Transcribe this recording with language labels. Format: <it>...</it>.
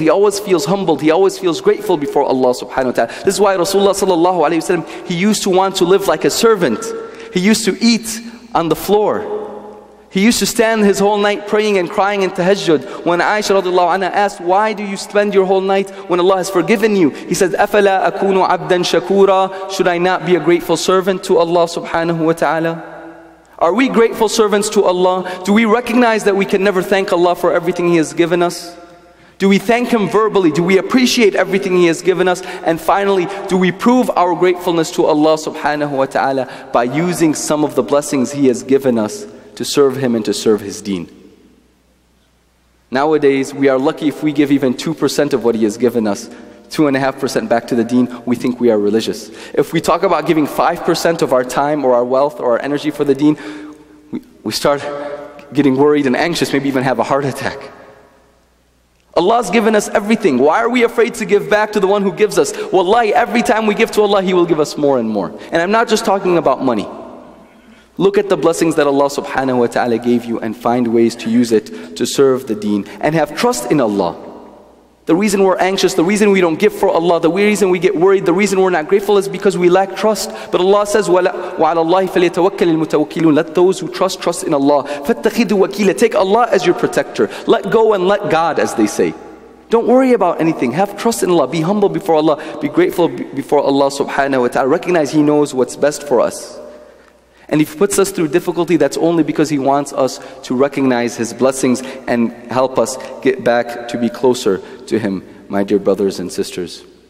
<en>He always feels humbled. He always feels grateful before Allah subhanahu wa ta'ala. This is why Rasulullah sallallahu alayhi wa sallam, he used to want to live like a servant. He used to eat on the floor. He used to stand his whole night praying and crying in tahajjud. When Aisha radiallahu anha asked, why do you spend your whole night when Allah has forgiven you? He said,</en> <ar>أَفَلَا أَكُونُ عَبْدًا شَكُورًا.</ar> <en>Should I not be a grateful servant to Allah subhanahu wa ta'ala? Are we grateful servants to Allah? Do we recognize that we can never thank Allah for everything He has given us? Do we thank Him verbally? Do we appreciate everything He has given us? And finally, do we prove our gratefulness to Allah subhanahu wa ta'ala by using some of the blessings He has given us to serve Him and to serve His deen? Nowadays, we are lucky if we give even 2% of what He has given us, 2.5% back to the deen, we think we are religious. If we talk about giving 5% of our time or our wealth or our energy for the deen, we start getting worried and anxious, maybe even have a heart attack. Allah's given us everything. Why are we afraid to give back to the one who gives us? Wallahi, every time we give to Allah, He will give us more and more. And I'm not just talking about money. Look at the blessings that Allah subhanahu wa ta'ala gave you and find ways to use it to serve the deen and have trust in Allah. The reason we're anxious, the reason we don't give for Allah, the reason we get worried, the reason we're not grateful is because we lack trust. But Allah says,</en> <ar>وَعَلَى اللَّهِ فَلْيَتَوَكَّلِ الْمُتَوَكِّلُونَ.</ar> <en>Let those who trust in Allah.</en> <ar>فَاتَّخِذُوا وَكِيلًا.</ar> <en>Take Allah as your protector. Let go and let God, as they say. Don't worry about anything. Have trust in Allah. Be humble before Allah. Be grateful before Allah subhanahu wa ta'ala. Recognize He knows what's best for us. And if He puts us through difficulty, that's only because He wants us to recognize His blessings and help us get back to be closer to Him, my dear brothers and sisters.</en>